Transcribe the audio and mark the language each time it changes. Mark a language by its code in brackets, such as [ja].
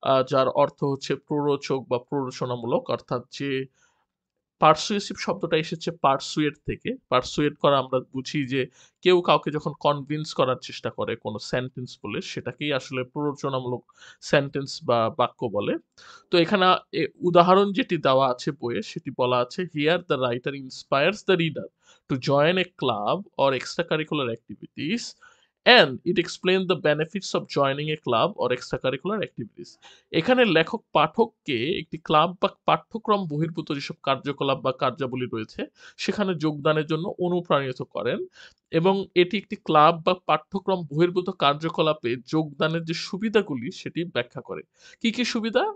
[bn] যার অর্থ হচ্ছে প্ররোচক বা প্ররোচনামূলক অর্থাৎ যে পারসুয়েসিভ শব্দটা এসেছে পারসুয়েড থেকে পারসুয়েড করা আমরা বুঝি যে কেউ কাউকে যখন কনভিন্স করার চেষ্টা করে কোনো সেন্টেন্স বলে সেটাকেই আসলে প্ররোচনামূলক সেন্টেন্স বা বাক্য বলে তো এখানে উদাহরণ যেটি দেওয়া আছে বইয়ে সেটি বলা আছে [en] Here the writer inspires the reader to join a club or extracurricular activities And it explained the benefits of joining a club or extracurricular activities. [bn] এখানে লেখক পাঠককে একটি ক্লাব বা পাঠ্যক্রম বহির্ভূত যেসব কার্যকলাপ বা কার্যাবলী রয়েছে সেখানে যোগদানের জন্য অনুপ্রাণিত করেন এবং এটি একটি ক্লাব বা পাঠ্যক্রম বহির্ভূত কার্যকলাপে যোগদানের যে সুবিধাগুলি সেটি ব্যাখ্যা করে। কি কি সুবিধা?